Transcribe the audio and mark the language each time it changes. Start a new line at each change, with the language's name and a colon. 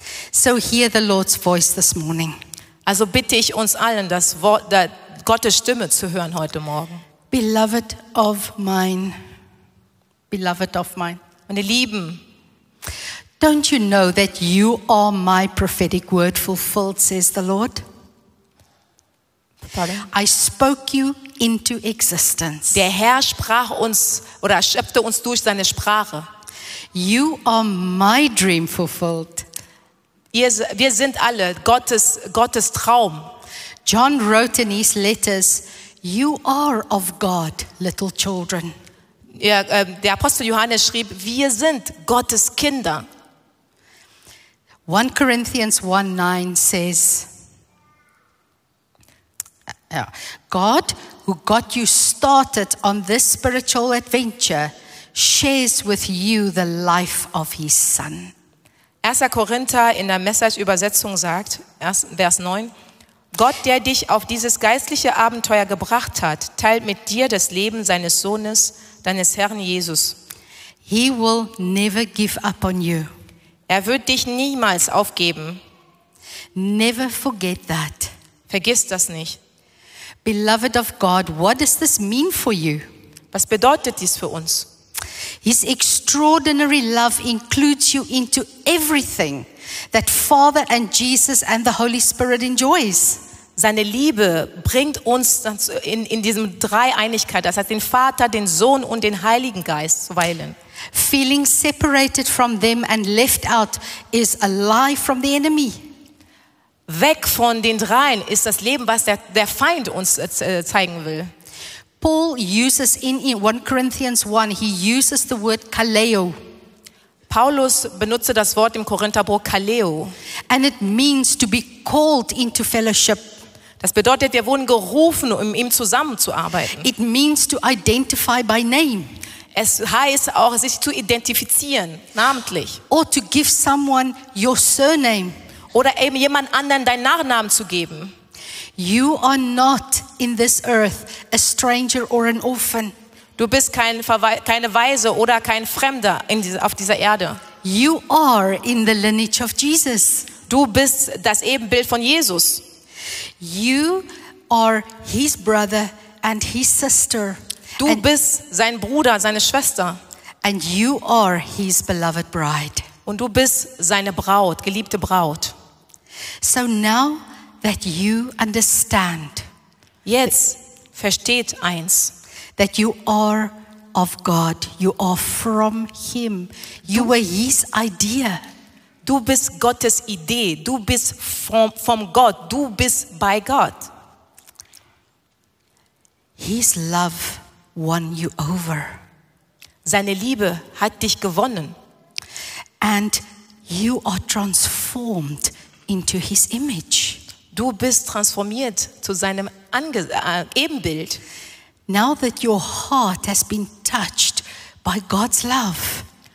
English: So hear the Lord's voice this morning.
German: Also bitte ich uns allen, das Wort, das Gottes Stimme zu hören heute Morgen.
English: Beloved of mine. Beloved of mine.
German: Meine Lieben.
English: Don't you know that you are my prophetic word fulfilled, says the Lord? I spoke you into existence.
German: Der Herr sprach uns oder schöpfte uns durch seine Sprache.
English: You are my dream fulfilled.
German: Wir sind alle Gottes Traum.
English: John wrote in his letters, you are of God, little children.
German: Ja, der Apostel Johannes schrieb, wir sind Gottes Kinder.
English: 1 Corinthians 1:9 says, God, who got you started on this spiritual adventure, shares with you the life of his son.
German: 1. Korinther in der Message-Übersetzung sagt, Vers 9, Gott, der dich auf dieses geistliche Abenteuer gebracht hat, teilt mit dir das Leben seines Sohnes, deines Herrn Jesus.
English: He will never give up on you.
German: Er wird dich niemals aufgeben.
English: Never forget that.
German: Vergiss das nicht.
English: Beloved of God, what does this mean for you?
German: Was bedeutet dies für uns?
English: His extraordinary love includes you into everything that Father and Jesus and the Holy Spirit enjoys.
German: Seine Liebe bringt uns in diesem Dreieinigkeit, das heißt den Vater, den Sohn und den Heiligen Geist zuweilen.
English: Feeling separated from them and left out is a lie from the enemy.
German: Weg von den Dreien ist das Leben, was der Feind uns zeigen will.
English: Paul uses in 1 Corinthians 1, he uses the word kaleo.
German: Paulus benutzte das Wort im Korintherbuch kaleo.
English: And it means to be called into fellowship.
German: Das bedeutet, wir wurden gerufen, um ihm zusammenzuarbeiten.
English: It means to identify by name.
German: Es heißt auch, sich zu identifizieren, namentlich.
English: Or to give someone your surname.
German: Oder eben jemand anderen deinen Nachnamen zu geben.
English: You are not in this earth a stranger or an orphan.
German: Du bist keine Waise oder kein Fremder auf dieser Erde.
English: You are in the lineage of Jesus.
German: Du bist das Ebenbild von Jesus.
English: You are his brother and his sister.
German: Du bist sein Bruder, seine Schwester.
English: And you are his beloved bride.
German: Und du bist seine Braut, geliebte Braut.
English: So now that you understand,
German: jetzt versteht eins,
English: that you are of God, you are from him, you were his idea.
German: Du bist Gottes Idee, du bist vom Gott, du bist bei Gott.
English: His love won you over.
German: Seine Liebe hat dich gewonnen.
English: And you are transformed into his image.
German: Du bist transformiert zu seinem Ebenbild.
English: Now that your heart has been touched by God's love.